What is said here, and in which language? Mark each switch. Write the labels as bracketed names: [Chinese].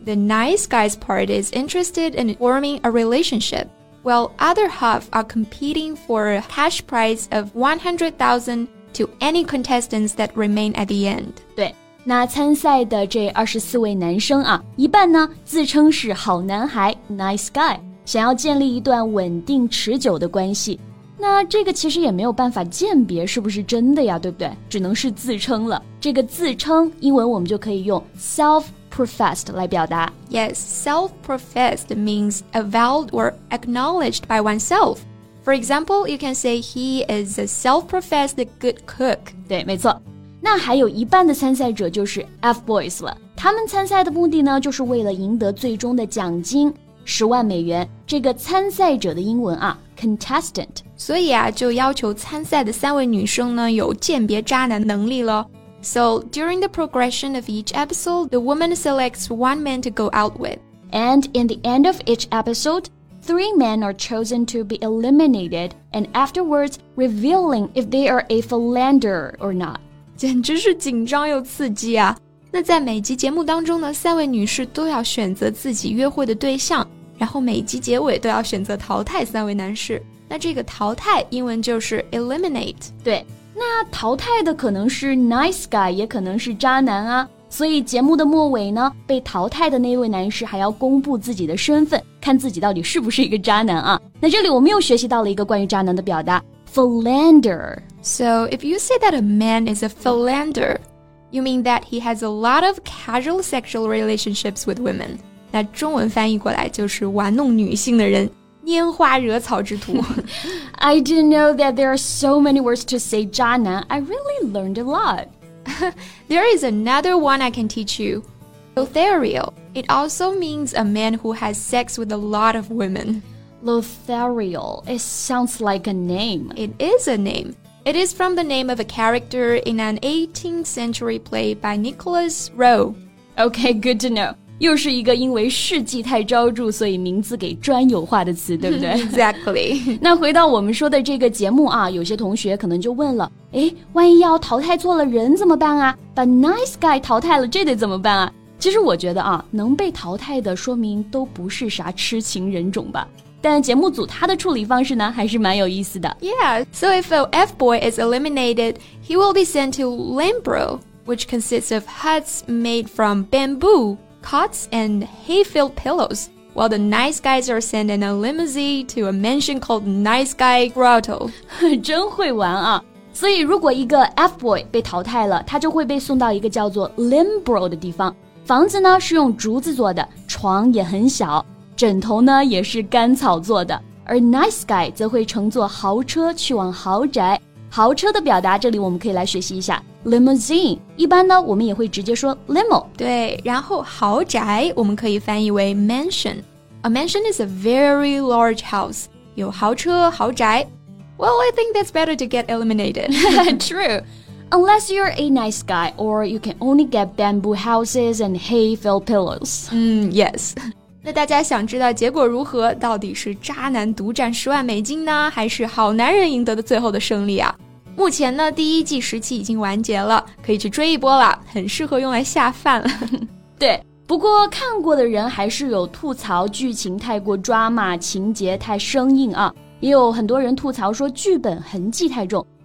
[English] The nice guys part is interested in forming a relationship, while other half are competing for a cash prize of $100,000. To any contestants that remain at the end. [Chinese] 对，那参赛的这24位男生啊，一半呢自称是好男孩 ,nice guy, 想要建立一段稳定持久的关系。那这个其实也没有办法鉴别是不是真的呀，对不对？只能是自称了。这个自称英文我们就可以用 self-professed 来表达。 [English] Yes, self-professed means avowed or acknowledged by oneself. For example, you can say he is a self-professed good cook. [Chinese] 对，没错。那还有一半的参赛者就是 F-boys 了。他们参赛的目的呢，就是为了赢得最终的奖金$100,000。这个参赛者的英文啊 ，contestant。所以啊，就要求参赛的三位女生呢，有鉴别渣男能力了。 [English] So during the progression of each episode, the woman selects one man to go out with. And in the end of each episode, three men are chosen to be eliminated and afterwards revealing if they are a philanderer or not. [Chinese] 简直是紧张又刺激啊。那在每集节目当中呢，三位女士都要选择自己约会的对象，然后每集结尾都要选择淘汰三位男士。那这个淘汰英文就是 eliminate。对，那淘汰的可能是 nice guy， 也可能是渣男啊。所以节目的末尾呢，被淘汰的那位男士还要公布自己的身份，看自己到底是不是一个渣男啊。那这里我们又学习到了一个关于渣男的表达 philanderer。 So if you say that a man is a philanderer, you mean that he has a lot of casual sexual relationships with women. 那中文翻译过来就是玩弄女性的人，拈花惹草之徒。 [English] I didn't know that there are so many words to say 渣男. I really learned a lot. There is another one I can teach you. Lothario. It also means a man who has sex with a lot of women. Lothario. It sounds like a name. It is a name. It is from the name of a character in an 18th century play by Nicholas Rowe. Okay, good to know. [Chinese] 又是一个因为事迹太昭著，所以名字给专有化的词，对不对？ [English] Exactly. [Chinese] 那回到我们说的这个节目啊，有些同学可能就问了，诶，万一要淘汰错了人怎么办啊？把 nice guy 淘汰了，这得怎么办啊？其实我觉得啊，能被淘汰的说明都不是啥痴情人种吧。但节目组他的处理方式呢还是蛮有意思的。 [English] Yeah, so if a F-boy is eliminated, he will be sent to Lambro, which consists of huts made from bamboo, cots, and hay-filled pillows, while the nice guys are sent in a limousine to a mansion called Nice Guy Grotto. [Chinese] 真会玩啊。所以如果一个 F-boy 被淘汰了，他就会被送到一个叫做 Lambro 的地方。房子呢是用竹子做的，床也很小。枕头呢也是干草做的，而 nice guy 则会乘坐豪车去往豪宅。豪车的表达这里我们可以来学习一下 limousine， 一般呢我们也会直接说 limo。对，然后豪宅我们可以翻译为 mansion。 [English] A mansion is a very large house， [Chinese] 有豪车豪宅。 [English] Well, I think that's better to get eliminated. True. Unless you're a nice guy or you can only get bamboo houses and hay filled pillows. Yes. [Chinese] 那大家想知道结果如何？到底是渣男独占$100,000呢？还是好男人赢得的最后的胜利啊？目前呢，第一季时期已经完结了，可以去追一波了，很适合用来下饭。对，不过看过的人还是有吐槽剧情太过抓马，情节太生硬啊，也有很多人吐槽说剧本痕迹太重。